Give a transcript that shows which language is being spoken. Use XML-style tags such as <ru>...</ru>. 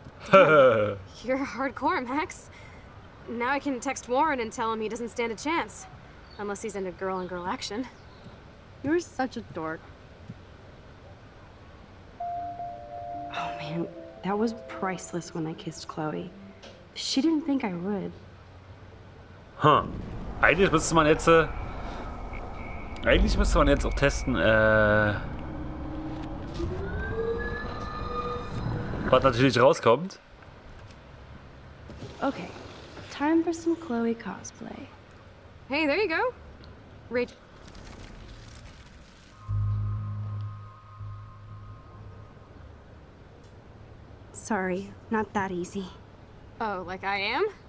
<en>Yeah, you're hardcore, Max. Now I can text Warren and tell him he doesn't stand a chance. Unless he's into girl-on-girl action. You're such a dork. Oh, man. That was priceless when I kissed Chloe. She didn't think I would. Huh.</en> <de>Eigentlich müsste man jetzt auch testen, was natürlich rauskommt. Okay.</de> <en>Time for some Chloe cosplay. Hey, there you go. Rachel. Sorry, not that easy. Oh, like I am?</en>